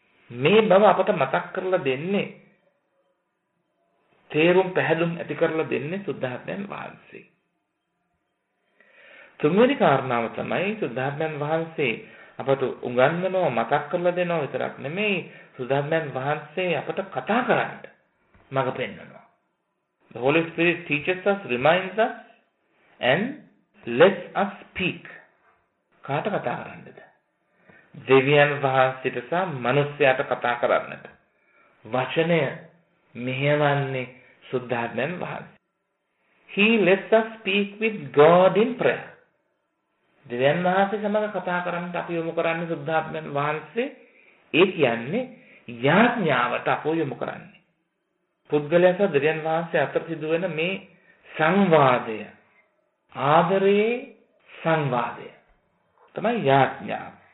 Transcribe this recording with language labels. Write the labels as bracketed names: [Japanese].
[Sinhala] මේ බව අපට මතක් කරලා දෙන්නේ, තේරුම් පැහැදුම් ඇති කරලා දෙන්නේ සුද්ධාත්මයන් වහන්සේ. තුන්වෙනි කාරණාව තමයි සුද්ධාත්මයන් වහන්සේ අපට උගන්වනවා, මතක් කරලා දෙනවා විතරක් නෙමෙයි, සුද්ධාත්මයන් වහන්සේ අපට කතා කරන්න මඟ පෙන්වනවා. [English] The Holy Spirit teaches us, reminds us, and lets us speak. [Sinhala] කාට කතා කරන්නද? දෙවියන් වහන්සේට සහ මනුස්සයාට කතා කරන්නට. වචනය මෙහෙවන්නේ සුද්ධාත්මයන් වහන්සේ. [English] He lets us speak with God in prayer. [Sinhala] දෙවියන් වහන්සේ සමඟ කතා කරන්නට අපි යොමු කරන්නේ සුද්ධාත්මයන් වහන්සේ. ඒ කියන්නේ යාඥාවට අපි යොමු කරන්නේ. පුද්ගලයා සහ දෙවියන් වහන්සේ අතර සිදුවෙන මේ සංවාදය, ආදරයේ සංවාදය තමයි යාඥාව.